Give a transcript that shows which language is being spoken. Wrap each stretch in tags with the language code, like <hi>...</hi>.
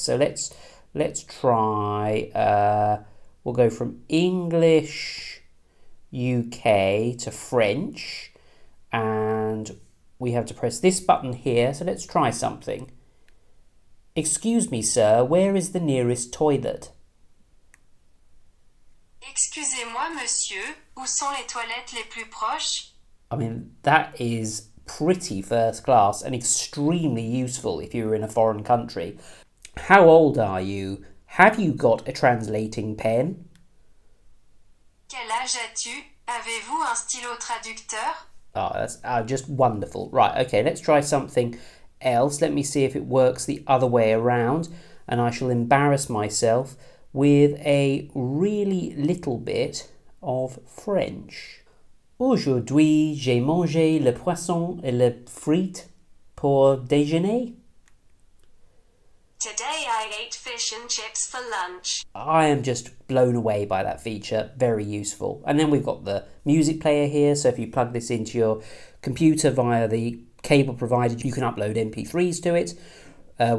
<en>So let's try, we'll go from English UK to French, and we have to press this button here. So let's try something. Excuse me, sir, where is the nearest toilet?</en> <fr>Excusez-moi, monsieur, où sont les toilettes les plus proches?</fr> <en>I mean, that is pretty first class and extremely useful if you're in a foreign country. How old are you? Have you got a translating pen?</en> <fr>Quel âge as-tu? Avez-vous un stylo traducteur?</fr> <en>Oh, that's just wonderful. Right, okay, let's try something else. Let me see if it works the other way around, and I shall embarrass myself with a really little bit of French.</en> <fr>Aujourd'hui, j'ai mangé le poisson et le frites pour déjeuner.</fr> <en>Today I ate fish and chips for lunch. I am just blown away by that feature. Very useful. And then we've got the music player here. So if you plug this into your computer via the cable provided, you can upload MP3s to it.</en>